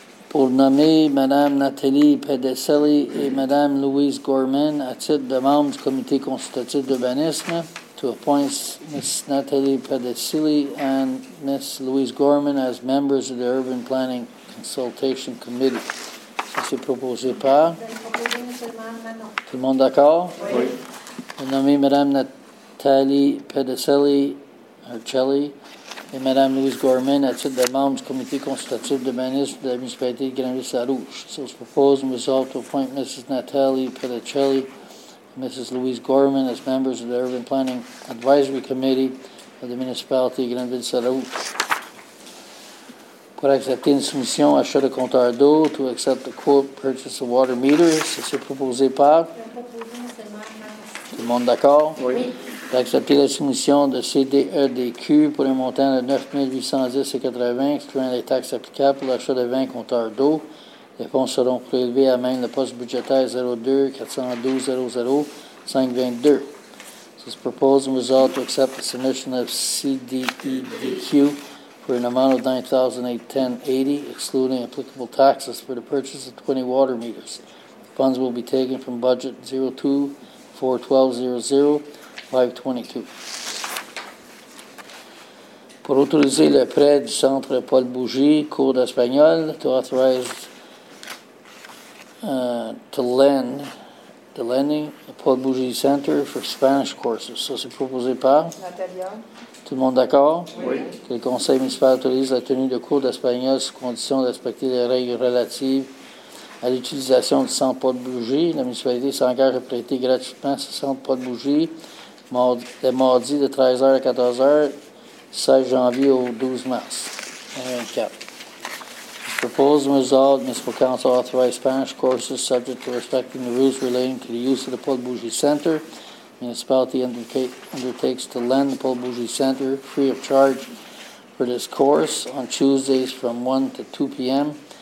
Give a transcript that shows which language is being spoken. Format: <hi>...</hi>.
<fr>Pour nommer Mme Nathalie Pedicelli et Mme Louise Gorman à titre de membre du comité consultatif d'urbanisme,</fr> <en>to appoint Ms. Nathalie Pedicelli and Ms. Louise Gorman as members of the Urban Planning Consultation Committee.</en> <fr>Ça, c'est proposé par? Tout le monde d'accord? Oui. Pour nommer Mme Nathalie Pedicelli, Archelli, et Mme Louise Gorman, à titre de membre du comité consultatif d'urbanisme de la municipalité de Granville-Sarrouche.</fr> <en>So it's proposed and resolved to appoint Mrs. Natalie Pedicelli and Mrs. Louise Gorman as members of the Urban Planning Advisory Committee of the municipality of Granville-Sarrouche.</en> <fr>Pour accepter une soumission, achat de compteur d'eau,</fr> <en>to accept the quote purchase of water meters,</en> <fr>c'est proposé par? Tout le monde d'accord? Oui. D'accepter la soumission de CDEDQ pour un montant de 9 810,80 $, excluant les taxes applicables pour l'achat de 20 compteurs d'eau. Les fonds seront prélevés à main le poste budgétaire 02-412-00-522.</fr> <en>This proposal is resolved to accept the submission of CDEDQ for an amount of $9,810.80, excluding applicable taxes, for the purchase of 20 water meters. Funds will be taken from budget 02-412-00-522.</en> <fr>Pour autoriser le prêt du centre Paul Bougie, Cour d'Espagnol,</fr> <en>to authorize to lend the Paul Bougie Center for Spanish courses.</en> <fr>Ça, c'est proposé par? Natalia. Tout le monde d'accord? Oui. Que le conseil municipal autorise la tenue de cours d'espagnol sous condition de respecter les règles relatives à l'utilisation du centre Paul Bougie. La municipalité s'engage à prêter gratuitement ce centre Paul Bougie les mardis de 13h à 14h, 16 janvier au 12 mars 2024.</fr> <en>Proposed and resolved, Municipal Council authorized Spanish courses subject to respecting the rules relating to the use of the Paul Bougie Center. Municipality undertakes to lend the Paul Bougie Center free of charge for this course on Tuesdays from 1 to 2 p.m.</en>